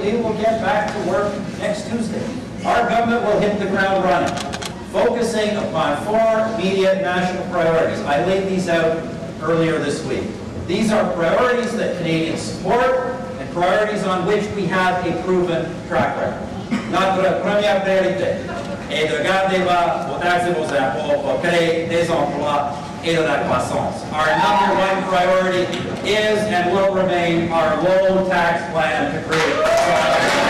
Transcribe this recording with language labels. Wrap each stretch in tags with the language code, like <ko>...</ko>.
<en>We will get back to work next Tuesday. Our government will hit the ground running, focusing upon four immediate national priorities. I laid these out earlier this week. These are priorities that Canadians support and priorities on which we have a proven track record.</en> <fr>Notre première priorité est de garder bas vos taxes et vos impôts pour créer des emplois et de la croissance.</fr> <en>Our number one priority is and will remain our low tax plan to create jobs.</en>